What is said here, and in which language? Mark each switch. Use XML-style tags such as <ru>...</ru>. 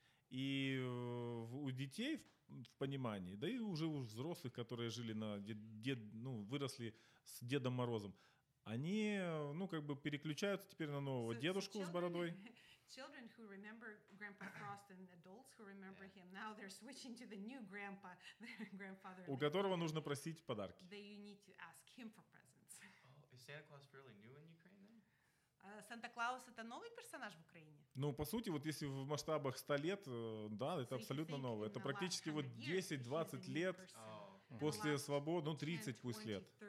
<ru>И у детей в понимании, да и уже у взрослых, которые жили на выросли с Дедом Морозом, они, ну, как бы переключаются теперь на нового дедушку с бородой.</ru> <en>Children who remember Grandpa Frost and adults who remember him, now they're switching to the new grandpa, the grandfather.</en> <ru>У которого нужно просить подарки.</ru> <en>They need to ask him for presents. Oh, is Santa Claus really new in Ukraine then?</en> <ru>Santa Claus — это новый персонаж в Украине? Ну, по сути, вот если в масштабах 100 лет, да, это абсолютно новое. Это практически вот 10-20 лет после свободы, ну, 30 пусть лет.</ru>